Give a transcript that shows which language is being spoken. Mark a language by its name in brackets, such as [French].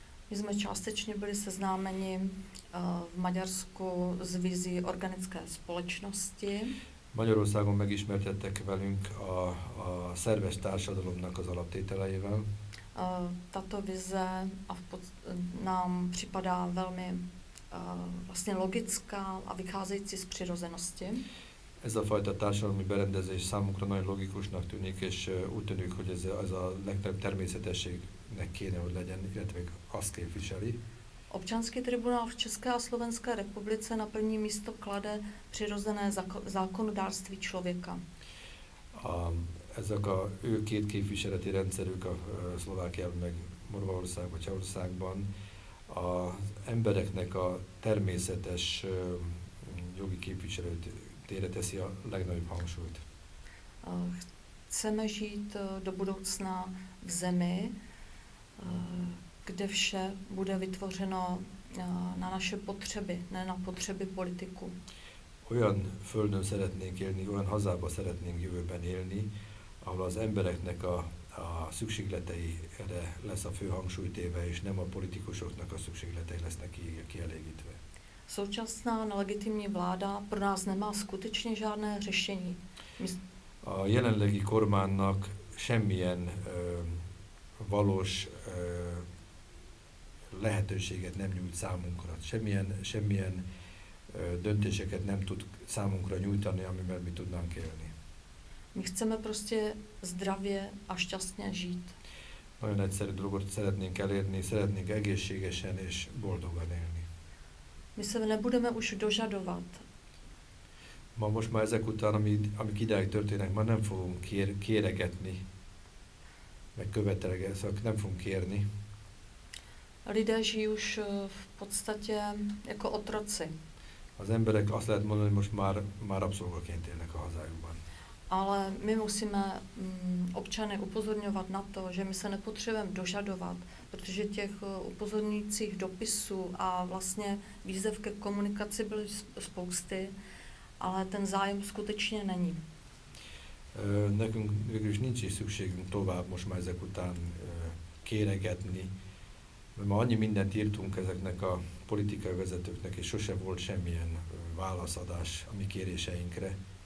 [Czech] My jsme částečně byli seznámeni v Maďarsku s vizí organické společnosti. [Hungarian] Magyarországon megismertettek velünk a szerves társadalomnak az alaptételeivel. [Czech] Tato vize nám připadá velmi vlastně logická a vycházející z přirozenosti. [Hungarian] Ez a fajta társadalmi berendezés számunkra nagyon logikusnak tűnik, és úgy tűnik, hogy ez a legnagyobb természetességnek kéne, hogy legyen, illetve azt képviseli. [Czech] Občanský tribunál v České a Slovenské republice na první místo klade přirozené zákonodárství člověka. [Hungarian] Ezek a ő két képviseleti rendszerük a Szlovákiában, meg Morvaországban, Csehországban az embereknek a természetes jogi képviselőtére teszi a legnagyobb hangsúlyt. [Czech] chceme žít do budoucna v zemi, kde vše bude vytvořeno na naše potřeby, ne na potřeby politiku. [Hungarian] Olyan földön szeretnénk élni, olyan hazába szeretnénk jövőben élni, ahol az embereknek a szükségleteire lesz a fő hangsúly téve, és nem a politikusoknak a szükségletei lesznek kielégítve. [Czech] Současná nelegitimní vláda pro nás nemá skutečně žádné řešení. [Hungarian] A jelenlegi kormánnak semmilyen valós lehetőséget nem nyújt számunkra. Semmilyen döntéseket nem tud számunkra nyújtani, amivel mi tudnánk élni. [Czech] My chceme prostě zdravě a šťastně žít. [Hungarian] Nagyon egyszerű dolgot szeretnénk elérni, szeretnénk egészségesen és boldogan élni. [Czech] My se nebudeme už dožadovat. [Hungarian] Ma most már ezek után, amik ideig történnek, már nem fogunk kéregetni, meg követelgetni, szóval nem fogunk kérni. [Czech] Lidé žijí už v podstatě jako otroci. [Hungarian] Az emberek azt lehet mondani, hogy most már rabszolgaként élnek a hazájukban. [Czech] Ale my musíme občany upozorňovat na to, že my se nepotřebujeme dožadovat, protože těch upozorňujících dopisů a vlastně výzev ke komunikaci byly spousty, ale ten zájem skutečně není. [Hungarian] Nekünk végül is nincs is szükségünk tovább most már ezek után kéregetni, mert már annyi mindent írtunk ezeknek a politikai vezetőknek, és sose volt semmilyen válaszadás a mi kéréseinkre.